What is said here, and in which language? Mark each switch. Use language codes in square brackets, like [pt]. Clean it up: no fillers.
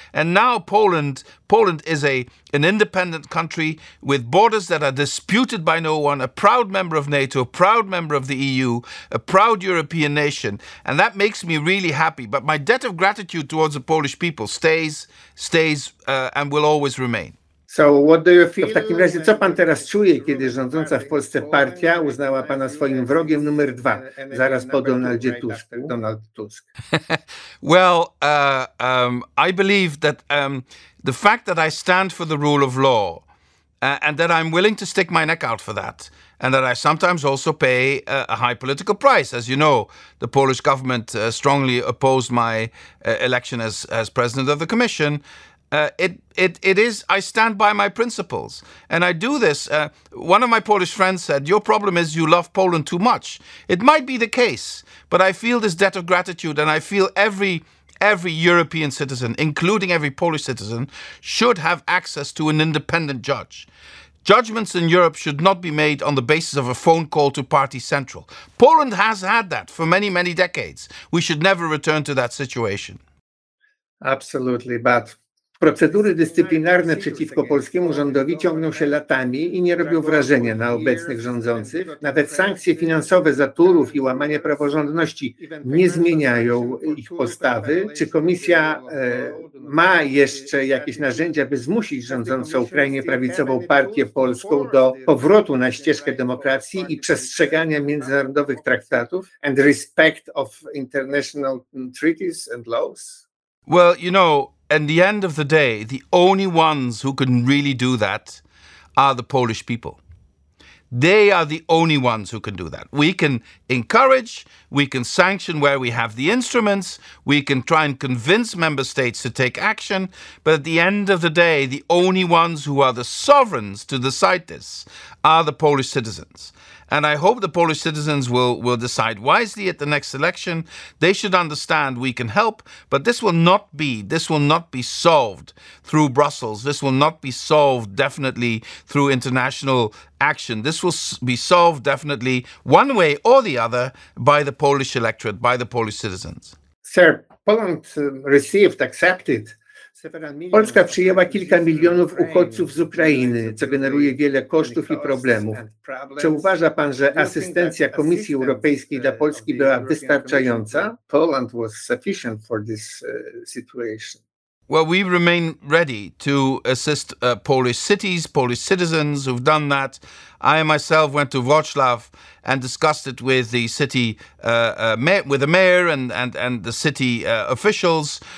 [en] And now Poland is an independent country with borders that are disputed by no one, a proud member of NATO, a proud member of the EU, a proud European nation. And that makes me really happy. But my debt of gratitude towards the Polish people stays and will always remain. So what do you feel? [pl] W takim razie, co pan teraz czuje, kiedy rządząca w Polsce partia uznała pana swoim wrogiem numer dwa, zaraz po Donaldzie Tusku, Donald Tusk? [en] Well, I believe that the fact that I stand for the rule of law and that I'm willing to stick my neck out for that, and that I sometimes also pay a high political price. As you know, the Polish government strongly opposed my election as president of the commission. It is. I stand by my principles, and I do this. One of my Polish friends said, "Your problem is you love Poland too much." It might be the case, but I feel this debt of gratitude, and I feel every European citizen, including every Polish citizen, should have access to an independent judge. Judgments in Europe should not be made on the basis of a phone call to Party Central. Poland has had that for many, many decades. We should never return to that situation. Absolutely, but [pl] procedury dyscyplinarne przeciwko polskiemu rządowi ciągną się latami i nie robią wrażenia na obecnych rządzących. Nawet sankcje finansowe za Turów i łamanie praworządności nie zmieniają ich postawy. Czy komisja ma jeszcze jakieś narzędzia, by zmusić rządzącą krajnie prawicową partię polską do powrotu na ścieżkę demokracji i przestrzegania międzynarodowych traktatów [en] and respect of international treaties and laws? Well, you know, in the end of the day, the only ones who can really do that are the Polish people. They are the only ones who can do that. We can encourage, we can sanction where we have the instruments, we can try and convince member states to take action, but at the end of the day, the only ones who are the sovereigns to decide this are the Polish citizens. And I hope the Polish citizens will decide wisely at the next election. They should understand we can help, but this will not be solved through Brussels. This will not be solved definitely through international action. This will be solved definitely one way or the other by the Polish electorate, by the Polish citizens. Sir, Poland received, accepted. [pl] Polska przyjęła kilka milionów uchodźców z Ukrainy, co generuje wiele kosztów i problemów. Czy uważa pan, że asystencja Komisji Europejskiej dla Polski była wystarczająca? [en] Poland was sufficient for this situation. Well, we remain ready to assist Polish cities, Polish citizens who've done that. I myself went to Wrocław and discussed it with the city, with the mayor and the city officials.